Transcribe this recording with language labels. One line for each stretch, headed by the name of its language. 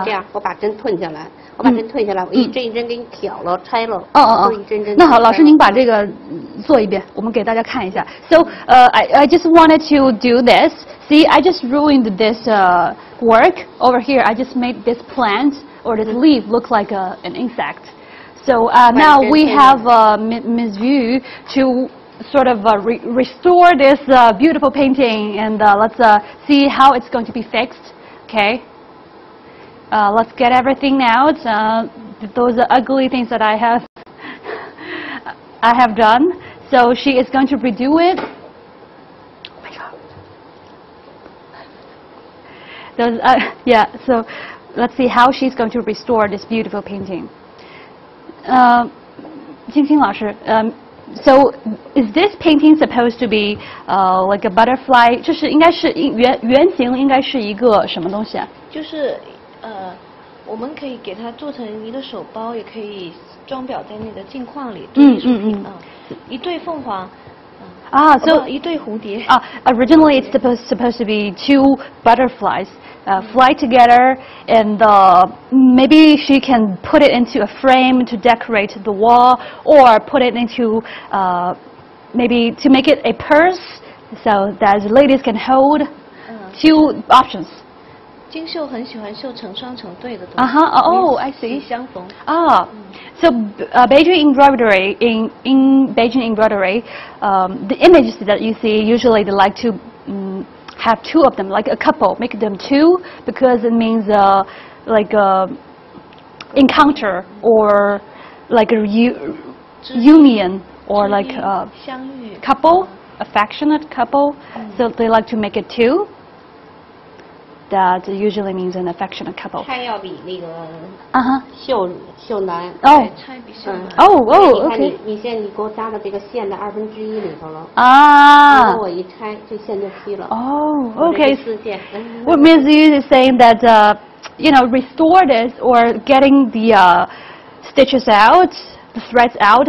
Chinese: 我这样，我把针吞下来，我把针吞下来，我一针一针给你挑了、拆了。那好，老师您把这个做一遍，我们给大家看一下。
English: So, I just wanted to do this. See, I just ruined this work over here. I just made this plant or this leaf look like an insect. So now we have Ms. Yu to. Sort of restore this beautiful painting, and let's see how it's going to be fixed. Okay. Let's get everything out. Those are ugly things that I have done. So she is going to redo it. Oh my god. So let's see how she's going to restore this beautiful painting. Qingqing 老师So, is this painting supposed to be like a butterfly?
Chinese: 就是应该是原型应该是一个什么东西啊？就是我们可以给它做成一个手包，也可以装裱在那个镜框里。一对凤凰。一对蝴蝶。
English: Originally it's supposed to be two butterflies, fly together, and maybe she can put it into a frame to decorate the wall, or put it into maybe to make it a purse so that the ladies can hold. Two options.
Chinese: 金秀很喜欢绣成双成对的东西。
English: I see.
Chinese: 与其相逢。
English: So, Beijing embroidery, the images that you see, usually they like to have two of them, like a couple, make them two, because it means like a encounter, or like a union, or like a couple, affectionate couple, so they like to make it two. That usually means an affectionate couple.
Chinese: 拆要比那个绣难。拆比绣难。
English: Okay.
Chinese: 你现在你给我扎到这个线的二分之一里头了。如果我一拆，这线就劈了。
English: Okay.
Chinese: 我的意思就是
English: saying that, you know, restore this or getting the stitches out, the threads out.